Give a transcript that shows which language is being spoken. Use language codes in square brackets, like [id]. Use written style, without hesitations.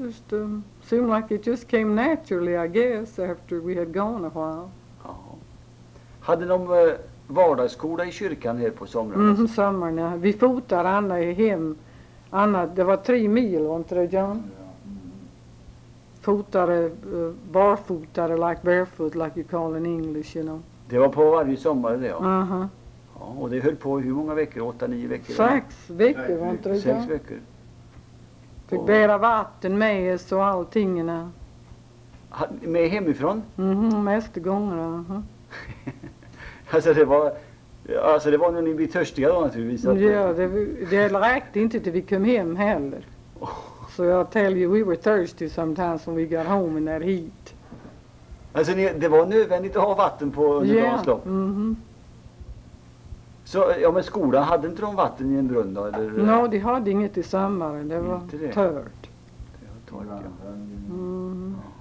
[en] No, just seemed like it just came naturally, I guess, after we had gone a while. [sv] Ja. Hade de vardagsskola i kyrkan här på somrarna? Mm, somrarna. Vi fotade Anna hem. Anna, det var 3 mil, var inte det, John? Ja. Mm. Fotade, barfotade, [en] like barefoot, like you call in English, you know. [sv] Det var på varje sommar det, ja. Mm. Uh-huh. Ja, och det höll på hur många veckor? 8-9 veckor? 6 veckor var inte det? 6 veckor. Fick bära vatten med oss och allting. Med hemifrån? Mm-hmm, mest gånger. Uh-huh. alltså det var när ni blev törstiga då naturligtvis. Att, ja, det räckte inte till vi kom hem heller. [en] So I tell you, we were thirsty sometimes when we got home in that heat. [sv] Alltså det var nödvändigt att ha vatten på under dagens lopp? Mm-hmm. Så, ja men skolan, hade inte de vatten i en brunn då? Eller? No, de hade inget i sommaren, det var tört. Det var torrt, ja. Mm.